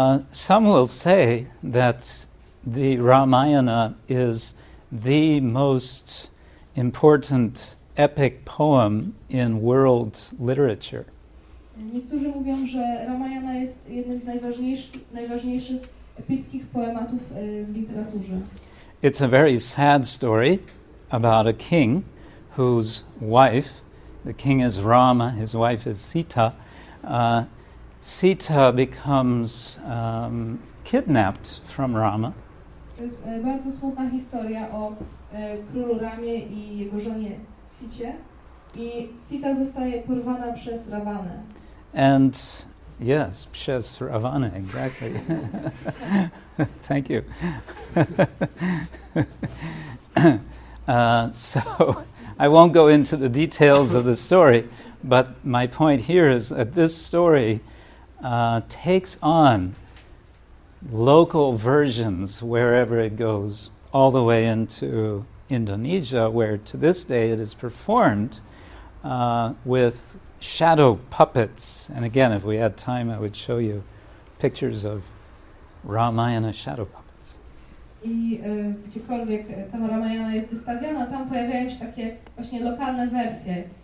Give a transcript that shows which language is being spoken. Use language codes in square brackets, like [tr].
[en] Some will say that the Ramayana is the most important epic poem in world literature. [pl] Niektórzy mówią, że Ramayana jest jednym z najważniejszych epickich poematów w literaturze. [en] It's a very sad story about a king whose wife, the king is Rama, his wife is Sita. Sita becomes kidnapped from Rama. [pl] To jest bardzo smutna historia o królu Ramie i jego żonie Sicie. I Sita zostaje porwana przez Ravanę. [en] And yes, [pl] przez Ravanę, [en] exactly. Thank you. So I won't go into the details of the story, but my point here is that this story takes on local versions wherever it goes, all the way into Indonesia, where to this day it is performed with shadow puppets. And again, if we had time, I would show you pictures of Ramayana shadow puppets. [pl] I gdziekolwiek tam Ramayana jest wystawiona, tam pojawiają się takie właśnie lokalne wersje.